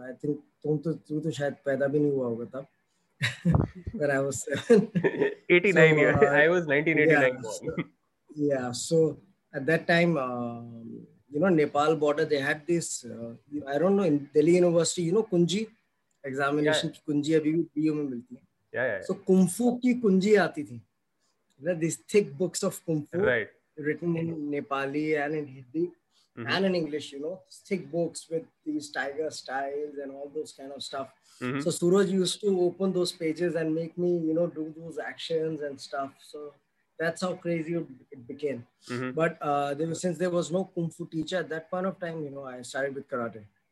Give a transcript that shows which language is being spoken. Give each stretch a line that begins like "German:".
English: I think
Hindi: tum to shayad paida bhi nahi hua hoga tab
English: when I was 7. 89. So, I was 1989. Yeah. So at that time, Nepal border, they had this. I don't know, in Delhi University, Kunji, a
Hindi: examination की कुंजी अभी भी PO में मिलती है.
English: so
Hindi: kung fu की कुंजी आती थी,
English: This thick books of kung fu written in Nepali and in Hindi Mm-hmm. And in English, you know, thick books with these tiger styles and all those kind of stuff. Mm-hmm. So Suraj used to open those pages and make me, you know, do those actions and stuff. So that's how crazy it became. Mm-hmm. But since there was no kung fu teacher at that point of time, you know, I started with karate.